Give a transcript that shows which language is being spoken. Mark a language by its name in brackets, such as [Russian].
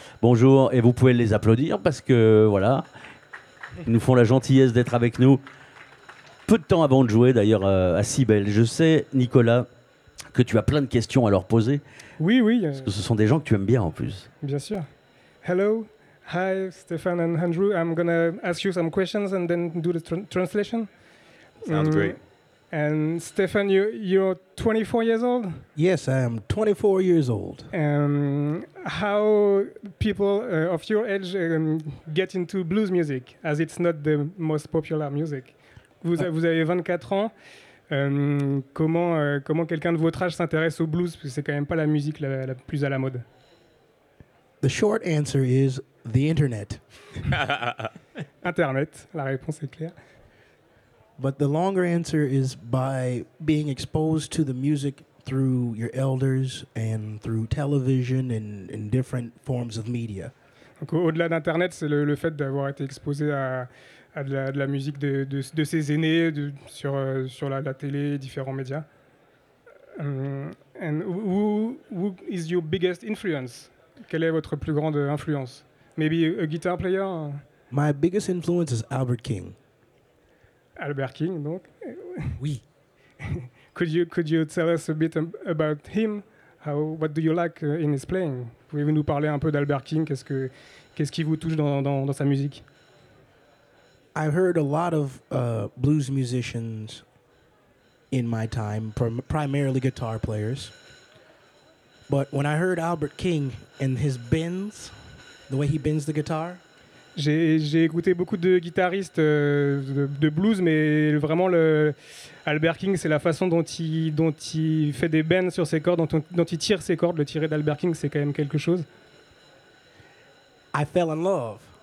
[French] Bonjour, et vous pouvez les applaudir parce que voilà, ils nous font la gentillesse d'être avec nous peu de temps avant de jouer d'ailleurs à Cybelle. Je sais, Nicolas, que tu as plein de questions à leur poser. Oui, oui. Parce que ce sont des gens que tu aimes bien en plus. Bien sûr. [English] Hello, hi, Stephen and Andrew. I'm gonna ask you some questions and then do the translation. Sounds great. And Stephen, you're 24 years old? Yes, I am 24 years old. How people of your age get into blues music, as it's not the most popular music? [French] Vous avez 24 ans. Comment quelqu'un de votre âge s'intéresse au blues, parce que c'est quand même pas la musique la plus à la mode. [English] The short answer is the internet. [French] Internet, la réponse est claire. [English] But the longer answer is by being exposed to the music through your elders and through television and in different forms of media. [French] Donc au-delà d'internet, c'est le fait d'avoir été exposé à de la musique de ses aînés sur la télé, différents médias. [English] And who is your biggest influence? [French] Quelle est votre plus grande influence? [English] Maybe a guitar player? My biggest influence is Albert King. [French] Albert King, donc? Oui. [English] could you tell us a bit about him? What do you like in his playing? [French] Pouvez-vous nous parler un peu d'Albert King? Qu'est-ce qui vous touche dans sa musique? [English] I've heard a lot of blues musicians in my time, primarily guitar players. But when I heard Albert King and his bends, the way he bends the guitar, [French] j'ai écouté beaucoup de guitaristes de blues, mais vraiment Albert King, c'est la façon dont il fait des bends sur ses cordes, dont il tire ses cordes. Le tirer d'Albert King, c'est quand même quelque chose. [English] I fell in love.